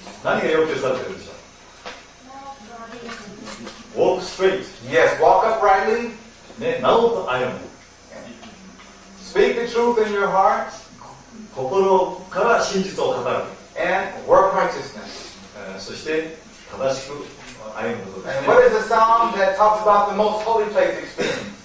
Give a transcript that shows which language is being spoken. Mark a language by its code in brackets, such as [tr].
[ja] 何が要求されているでしょう? [en] Walk straight. Yes, walk uprightly. [ja] ね、なおと歩む。 [en] Speak the truth in your heart. [ja] 心から真実を語る。 [en] And work righteousness. [ja] そして正しく歩むことです、ね。 [en] And what is the psalm that talks about the most holy place experience?